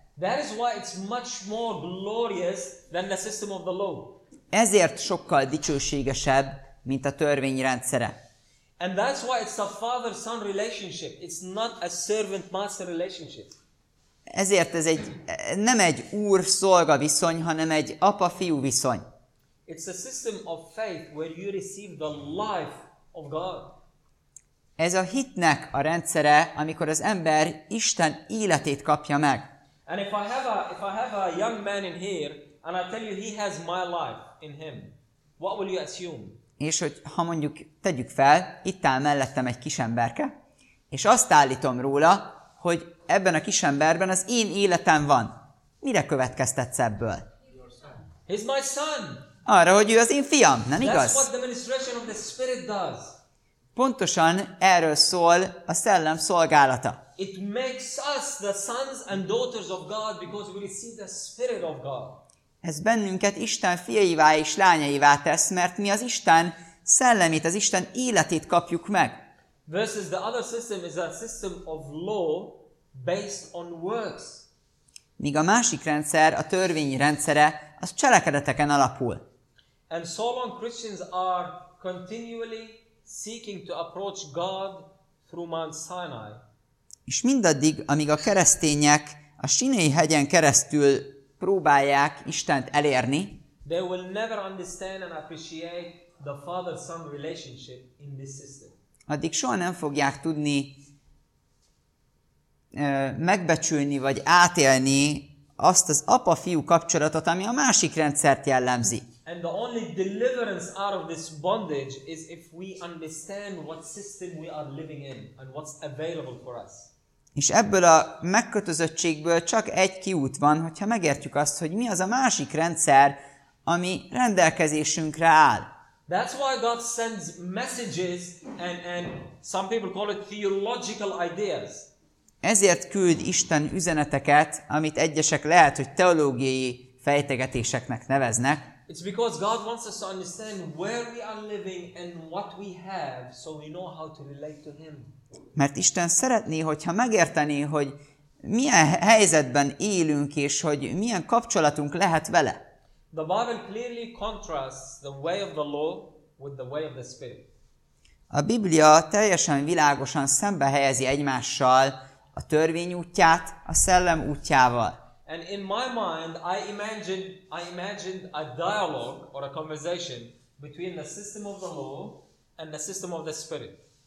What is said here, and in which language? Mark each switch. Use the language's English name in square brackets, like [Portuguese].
[English] That is why it's much more glorious than the system of the law. [Hungarian] Ezért sokkal dicsőségesebb, mint a törvény rendszere. [English] And that's why it's a father-son relationship. It's not a servant-master relationship. [Hungarian] Ezért ez egy nem egy úr-szolga viszony, hanem egy apa-fiú viszony. [English] It's a system of faith where you receive the life of God. [Hungarian] Ez a hitnek a rendszere, amikor az ember Isten életét kapja meg. [English] And if I have a young man in here and I tell you he has my life in him, what will you assume? [Hungarian] És hogy ha mondjuk tegyük fel, itt áll mellettem egy kisemberke, és azt állítom róla, hogy ebben a kisemberben az én életem van. Mire következtetsz ebből? [English] He's my son. [Hungarian] Arra, hogy ő az én fiam, nem igaz? [English] That's what the ministration of the Spirit does. [Hungarian] Pontosan erről szól a Szellem szolgálata. [English] It makes us the sons and daughters of God because we receive the Spirit of God. [Hungarian] Ez bennünket Isten fiaivá és lányaivá tesz, mert mi az Isten szellemét, az Isten életét kapjuk meg. [English] Versus the other system is a system of law based on works. [Hungarian] Míg a másik rendszer, a törvény rendszere, az cselekedeteken alapul. [English] And so long Christians are continually seeking to approach God through Mount Sinai. [Hungarian] És mindaddig, amíg a keresztények a Sínei hegyen keresztül próbálják Istent elérni, [English] they will never understand and appreciate the father-son relationship in this system. [Hungarian] Addig soha nem fogják tudni megbecsülni vagy átélni azt az apa-fiú kapcsolatot, ami a másik rendszert jellemzi. [English] And the only deliverance out of this bondage is if we understand what system we are living in and what's available for us. [Hungarian] És ebből a megkötözöttségből csak egy kiút van, hogyha megértjük azt, hogy mi az a másik rendszer, ami rendelkezésünkre áll. [English] That's why God sends messages and some people call it theological ideas. [Hungarian] Ezért küld Isten üzeneteket, amit egyesek lehet, hogy teológiai fejtegetéseknek neveznek. [English] It's because God wants us to understand where we are living and what we have, so we know how to relate to Him. [Hungarian] Mert Isten szeretné, hogyha megérteni, hogy milyen helyzetben élünk, és hogy milyen kapcsolatunk lehet vele. [English] The Bible clearly contrasts the way of the law with the way of the Spirit. [Hungarian] A Biblia teljesen világosan szembe helyezi egymással a törvény útját a Szellem útjával. [English] And in my mind, I imagined a dialogue or a conversation between the system of the law and the system of the Spirit.